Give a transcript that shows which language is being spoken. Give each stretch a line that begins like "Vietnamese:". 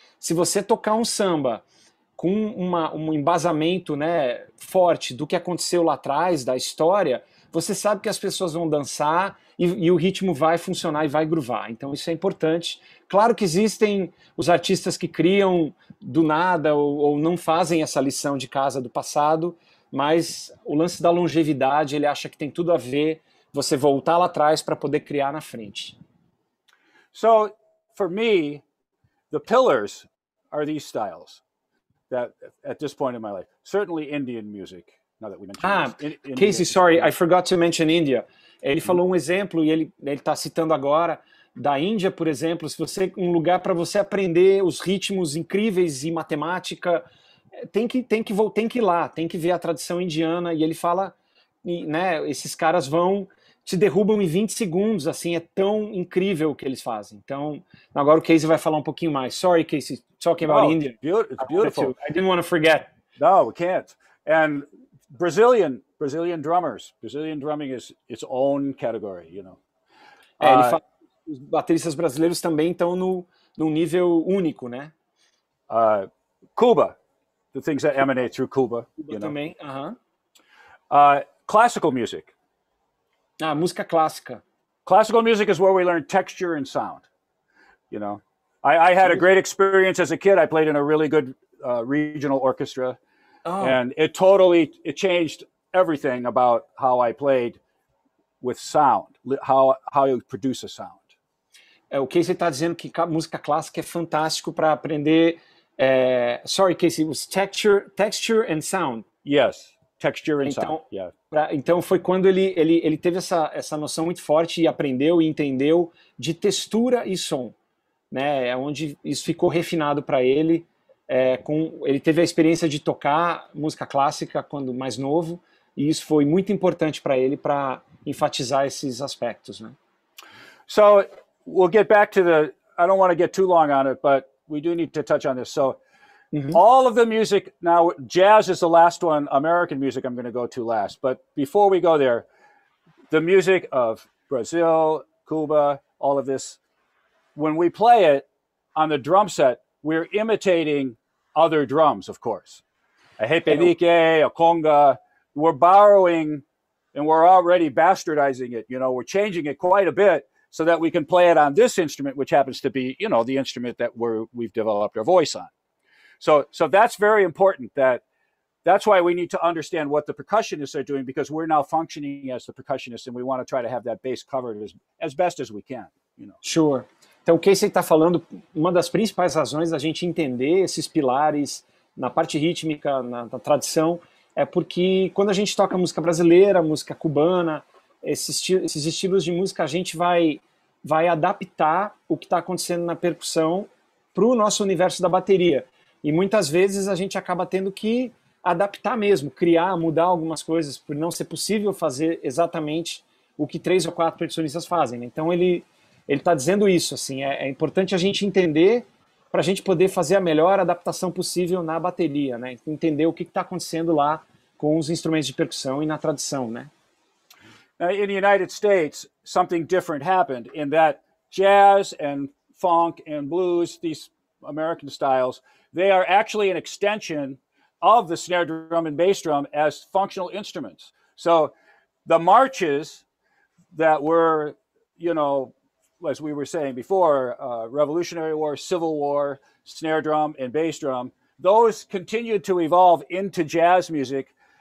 Portuguese: Se você tocar um samba com um embasamento, né, forte do que aconteceu lá atrás, da história, você sabe que as pessoas vão dançar e o ritmo vai funcionar e vai groovar. Então isso é importante. Claro que existem os artistas que criam do nada ou não fazem essa lição de casa do passado, mas o lance da longevidade, ele acha que tem tudo a ver você voltar lá atrás para poder criar na frente.
English: So, for me, the pillars are these styles that at this point in my life, certainly Indian music, now that we mentioned Casey, sorry, I forgot to mention India.
Portuguese: Ele falou um exemplo e ele está citando agora da Índia, por exemplo, se você um lugar para você aprender os ritmos incríveis e matemática, tem que ir lá, tem que ver a tradição indiana, e ele fala, e, né, esses caras vão, te derrubam em 20 segundos, assim, é tão incrível o que eles fazem. Então, agora o Casey vai falar um pouquinho mais.
English: Sorry, Casey, talking about India. It's beautiful. I didn't want to forget. No, we can't. And Brazilian drummers. Brazilian drumming is its own category, you know.
Portuguese: Ele fala, os bateristas brasileiros também estão no nível único, né?
English: Cuba, the things that emanate through Cuba. Cuba, you know.
Portuguese: Também,
English: uh-huh. Classical music.
Portuguese: Ah, música clássica.
English: Classical music is where we learn texture and sound, you know. I had a great experience as a kid. I played in a really good regional orchestra. Oh. And it totally, it changed everything about how I played with sound, how you produce a sound.
Portuguese: É, o Casey está dizendo que música clássica é fantástico para aprender.
English: É, sorry, Casey, it was texture and sound. Yes, texture and sound. Yeah.
Portuguese: Então foi quando ele teve essa noção muito forte e aprendeu e entendeu de textura e som, né? É onde isso ficou refinado para ele. É, ele teve a experiência de tocar música clássica quando mais novo e isso foi muito importante para ele para enfatizar esses aspectos, né?
English: So we'll get back to I don't want to get too long on it, but we do need to touch on this. So all of the music now, jazz is the last one, American music I'm going to go to last, but before we go there, the music of Brazil, Cuba, all of this, when we play it on the drum set, we're imitating other drums, of course. A repenique, a conga. We're borrowing and we're already bastardizing it. You know, we're changing it quite a bit so that we can play it on this instrument, which happens to be, you know, the instrument that we've developed our voice on. So that's very important. That's why we need to understand what the percussionists are doing, because we're now functioning as the percussionists and we want to try to have that bass covered as best as we can, you know. Sure.
Portuguese: Então, o Casey está falando, uma das principais razões da gente entender esses pilares na parte rítmica, na tradição, é porque quando a gente toca música brasileira, música cubana, esses estilos de música, a gente vai adaptar o que está acontecendo na percussão para o nosso universo da bateria. E muitas vezes a gente acaba tendo que adaptar mesmo, criar, mudar algumas coisas, por não ser possível fazer exatamente o que três ou quatro percussionistas fazem. Né? Então, ele está dizendo isso, assim, é importante a gente entender para a gente poder fazer a melhor adaptação possível na bateria, né? Entender o que está acontecendo lá com os instrumentos de percussão e na tradição, né?
English: In the United States, something different happened in that jazz and funk and blues, these American styles, they are actually an extension of the snare drum and bass drum as functional instruments. So the marches that were, you know, as we were saying before, Revolutionary War, Civil War, snare drum and bass drum, those continued to evolve into jazz music.